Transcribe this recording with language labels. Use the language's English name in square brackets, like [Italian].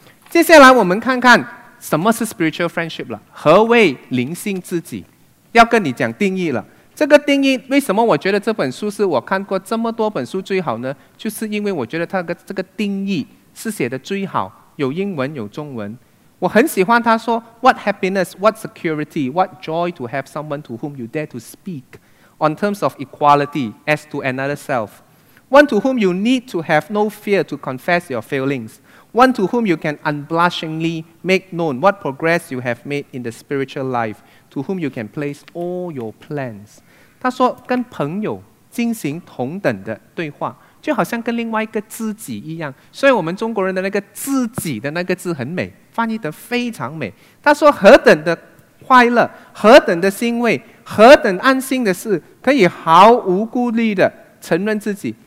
[Chinese] 接下来我们看看什么是 spiritual friendship 了，何为灵性知己？要跟你讲定义了。这个定义为什么我觉得这本书是我看过这么多本书最好呢？就是因为我觉得它的这个定义是写的最好，有英文有中文。我很喜欢他说 [English] What happiness, what security, what joy to have someone to whom you dare to speak on terms of equality as to another self. One to whom you need to have no fear to confess your failings. One to whom you can unblushingly make known what progress you have made in the spiritual life. To whom you can place all your plans. [Chinese] 他说跟朋友进行同等的对话，就好像跟另外一个知己一样。所以我们中国人的那个知己的那个字很美，翻译得非常美。他说何等的快乐，何等的欣慰，何等安心的事，可以毫无顾虑的承认自己。